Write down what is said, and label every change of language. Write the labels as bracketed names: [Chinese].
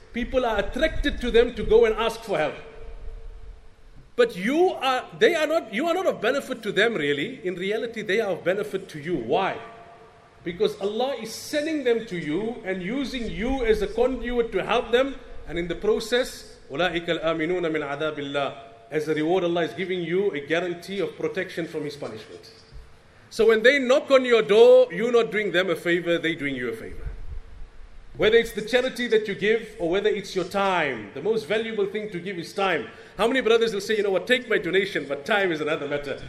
[English] People are attracted to them to go and ask for help. But you are not of benefit to them really. In reality, they are of benefit to you. Why? Because Allah is sending them to you and using you as a conduit to help them. And in the process, [Arabic] أُولَٰئِكَ الْآمِنُونَ مِنْ عَذَابِ اللَّهِ. [English] As a reward, Allah is giving you a guarantee of protection from His punishment. So when they knock on your door, you're not doing them a favor, they're doing you a favor. Whether it's the charity that you give, or whether it's your time, the most valuable thing to give is time. How many brothers will say, "You know what, take my donation, but time is another matter.